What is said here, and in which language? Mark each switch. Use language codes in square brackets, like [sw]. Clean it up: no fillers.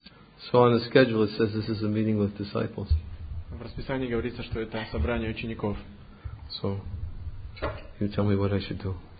[en] So on the schedule it says this is a meeting with disciples. [ru] В расписании говорится, что это собрание учеников. [en] So, you tell me what I should do.